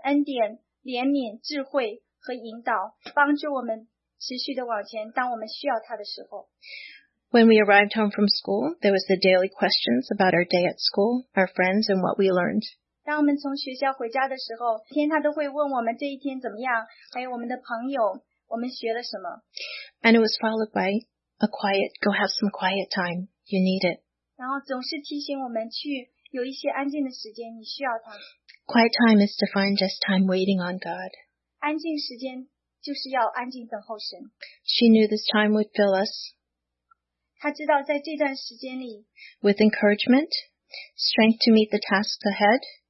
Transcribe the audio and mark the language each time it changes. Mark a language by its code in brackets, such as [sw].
[zh] 他知道主耶稣会背负着我们的重担，主耶稣会带领我们每一步，赐给我们恩典、怜悯、智慧。和引导，帮助我们持续地往前，当我们需要他的时候。 [en] When we arrived home from school, there was the daily questions about our day at school, our friends, and what we learned. [zh] 当我们从学校回家的时候，天他都会问我们这一天怎么样，还有我们的朋友，我们学了什么。 [en] And it was followed by a quiet, "Go have some quiet time. You need it." [zh] 然后总是提醒我们去有一些安静的时间，你需要它。 [en] Quiet time is defined as time waiting on God. [zh] 安静时间就是要安静等候神。 [en] She knew this time would fill us. [zh] 她知道在这段时间里, [en] with encouragement, strength to meet the tasks ahead.